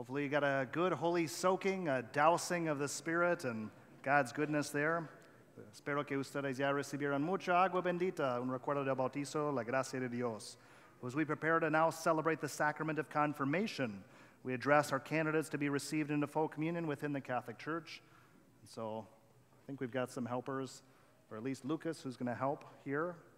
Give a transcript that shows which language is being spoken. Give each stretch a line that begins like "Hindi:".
English: Got a good holy soaking, a dousing of the Spirit and God's goodness there.
Spanish: Espero que ustedes ya recibieron mucha agua bendita, un recuerdo del bautizo, la gracia de Dios.
English: As we prepare to now celebrate the sacrament of confirmation, we address our candidates to be received into full communion within the Catholic Church. And so I think we've got some helpers, or at least Lucas, who's going to help here.